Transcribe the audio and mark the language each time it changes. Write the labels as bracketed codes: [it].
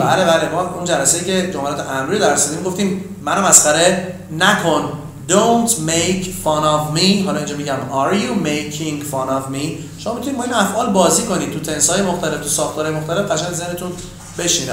[fa] بله ما اون جلسه که جملات امری درس دادیم گفتیم منو مسخره نکن. [en] Don't make fun of me. [fa] حالا اینجا میگم [en] Are you making fun of me? [fa] شما میتونید ما این افعال بازی کنید تو تنسای مختلف تو ساختارهای مختلف قشنگ ذهنتون بشینه.